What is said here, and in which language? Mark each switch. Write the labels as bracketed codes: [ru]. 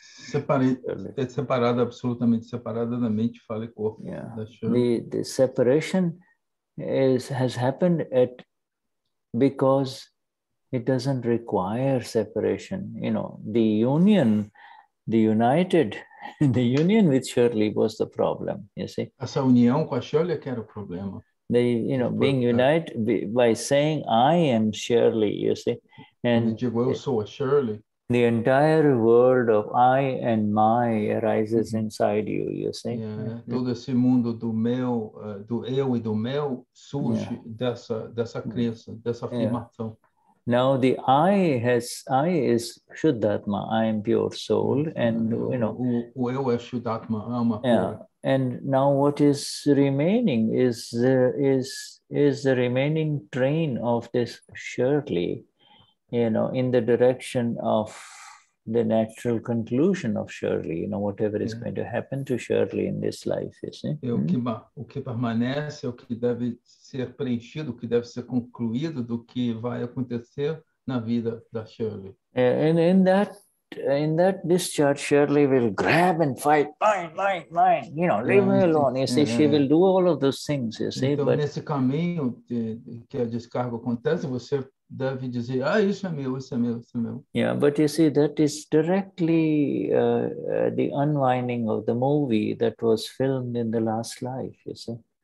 [pt] Shirley. Separada, absolutamente separada da mente, fala e corpo da Shirley. [en] The separation has happened at because it doesn't require separation. You know, the union, the united, the union with Shirley was the problem, you see. [pt] Essa união com a Shirley que era o problema. [en] The, you know, being united by saying, I am Shirley, you see. And well, so a Shirley. The entire world of I and my arises mm-hmm. inside you, you see. Yeah, mm-hmm. [pt] Todo esse mundo do meu, do eu e do meu, surge yeah. dessa crença, dessa afirmação. Yeah. [en] Now the I is Shuddhatma, I am pure soul, and you know. [pt] O eu é Shuddhatma, alma pura. [en] Yeah. And now what is remaining is the remaining train of this Shirley, you know, in the direction of the natural conclusion of Shirley, you know, whatever is going to happen to Shirley in this life, you see. [pt] É o que permanece, é o que deve ser preenchido, o que deve ser concluído do que vai acontecer na vida da Shirley. [en] And in that discharge, Shirley will grab and fight, mine, you know, leave me alone, you see, she will do all of those things, you see. [pt] Então, [en] but [pt] nesse caminho que a descarga acontece, você deve dizer, ah, isso é meu. [en] Yeah, but you see, that is directly the unwinding of the movie that was filmed in the last life, you see.